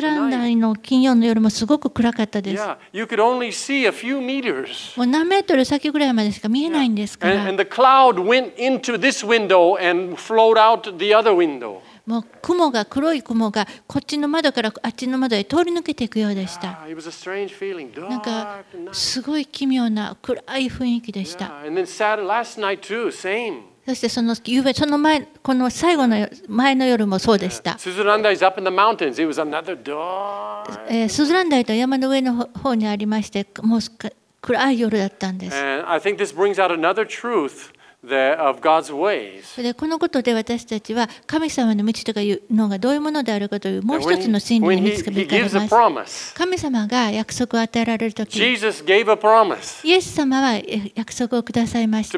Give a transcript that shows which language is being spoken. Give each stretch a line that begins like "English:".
Japanese: ランダイの金曜の夜もすごく暗かったです。
English: Yeah, you could only see a few meters.
Japanese: もう何メートル先ぐらいまでしか見えないんですから。
English: And the cloud went into this window and flowed out the other window.
Japanese: もう雲が黒い雲がこっちの窓からあっちの窓へ通り抜けていくようでした。
English: Yeah, it was a strange feeling. Dark night.
Japanese: なんかすごい奇妙な暗い雰囲気でした。
English: Yeah, and then sad last night too. Same.
Japanese: そしてその夕べその前この最後の前の夜もそうでした。
English: スズランダイ is up in the mountains. It was another dark.
Japanese: スズランダイと山の上の方にありまして、もう暗い夜だったんです。
English: And I think this brings out another truth of God's ways.
Japanese: でこのことで私たちは神様の道とかいうのがどういうものであるかというもう一つの真理に見つけられます。
English: When he gives a promise.
Japanese: 神様が約束を与えられるとき、
English: Jesus gave a promise.
Japanese: イエス様は約束をくださいました。